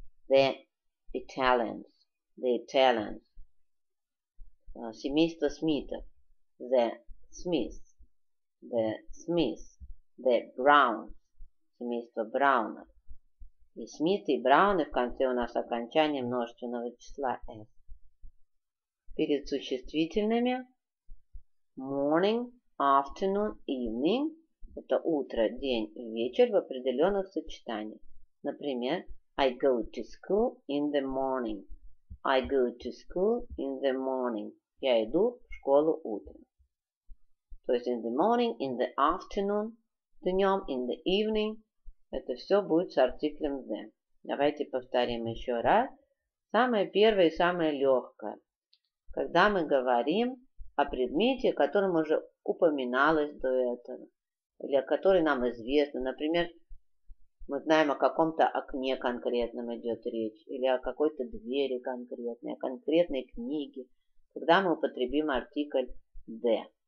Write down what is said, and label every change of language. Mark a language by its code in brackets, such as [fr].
[en] The Italians. The Italians. [ru] Семейство Смитов. [en] The Smiths. The Smiths. The Browns. [ru] Семейство Браунов. И Смит, и Брауны. В конце у нас окончание множественного числа S. Перед существительными. [en] Morning, afternoon, evening. [ru] Это утро, день и вечер в определенных сочетаниях. Например, [en] I go to school in the morning. I go to school in the morning. [ru] Я иду в школу утром. То есть [en] in the morning, in the afternoon, [ru] днем, [en] in the evening. [ru] Это все будет с артиклем the. Давайте повторим еще раз. Самое первое и самое легкое. Когда мы говорим о предмете, о котором уже упоминалось до этого, или о котором нам известно. Например, мы знаем, о каком-то окне конкретном идет речь, или о какой-то двери конкретной, о конкретной книге, когда мы употребим артикль «the».